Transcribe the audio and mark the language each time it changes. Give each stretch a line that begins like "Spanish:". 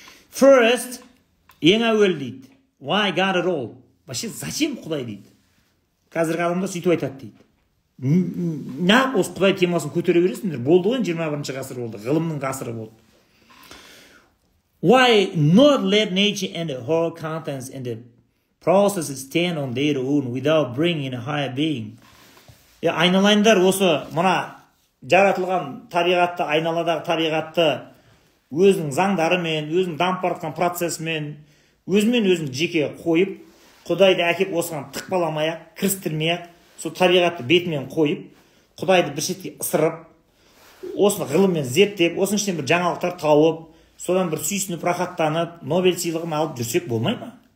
English: First,
Kazakh: ең әуел дейді.
English: Why God at all?
Russian: Вообще зачем
Kazakh: Құдай дейді? Қазір ғалымда сөйтіп айтады дейді. Не осы Құдай темасын көтере бересіңдер? Болды ғой, 21-ші ғасыр болды. Ғылымның ғасыры болды.
English: Why not let nature and the whole contents and the processes stand on their own without bringing a higher being?
Kazakh: Айналайындар осы мына жаратылған табиғатты, айналадағы табиғатты өзінің заңдарымен, өзінің дамып жатқан процесімен, өзімен өзін жеке қойып, Құдайды әкеп осыған тықпаламай-ақ, кірістірмей-ақ, сол табиғатты бетімен қойып, Құдайды бір шетке ысырып, осыны ғылыммен зерттеп, осының ішінен бір жаңалықтар тауып, содан бір сүйсініп, рахаттанып, Нобель сыйлығын алып жүрсек болмай ма?